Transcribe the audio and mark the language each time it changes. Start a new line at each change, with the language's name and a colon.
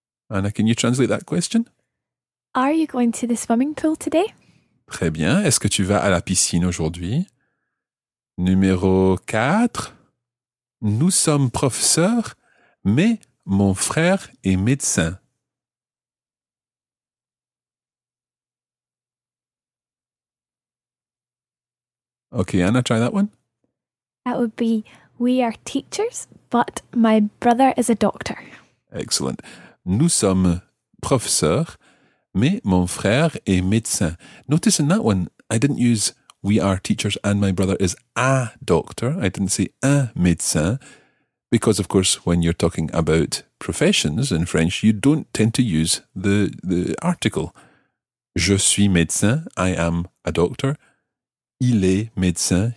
English: Anna, can you translate that question? Are you going to the swimming pool today?
French: Très bien, est-ce que tu vas à la piscine aujourd'hui? Numéro 4. Nous sommes professeurs, mais mon frère est médecin.
English: Okay, Anna, try that one. That would be, we are teachers, but my brother is a doctor. Excellent.
French: Nous sommes professeurs, mais mon frère est médecin.
English: Notice in that one, I didn't use we are teachers and my brother is a doctor. I didn't say
French: un médecin.
English: Because, of course, when you're talking about professions in French, you don't tend to use the article.
French: Je suis médecin.
English: I am a doctor.
French: Il est médecin.